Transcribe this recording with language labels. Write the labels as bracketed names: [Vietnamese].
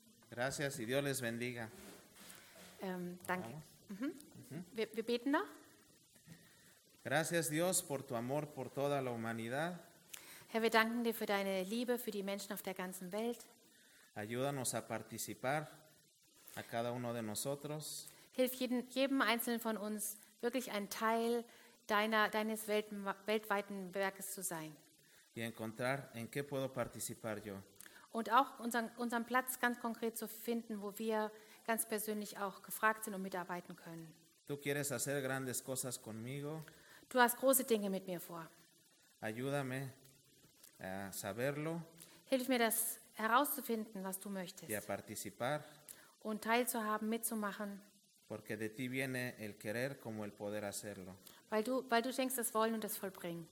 [Spanish] Gracias y Dios les bendiga. [German] Danke. Wir beten noch. [Spanish] Gracias Dios por tu amor por toda la humanidad. [German] Herr, wir danken dir für deine Liebe für die Menschen auf der ganzen Welt. [Spanish] Ayúdanos a participar a cada uno de nosotros. [German] Hilf jedem einzelnen von uns wirklich ein Teil deines weltweiten Werkes zu sein. [Spanish] Y encontrar en qué puedo participar yo. [German] Und auch unseren Platz ganz konkret zu finden, wo wir ganz persönlich auch gefragt sind und mitarbeiten können. [Spanish] Tú quieres hacer grandes cosas conmigo. [German] Du hast große Dinge mit mir vor. [Spanish] Ayúdame a saberlo. [German] Hilf mir, das herauszufinden, was du möchtest. [Spanish] Y a participar. [German] Und teilzuhaben, mitzumachen. [Spanish] Porque de ti viene el querer como el poder hacerlo. [German] Weil du schenkst das Wollen und das Vollbringen.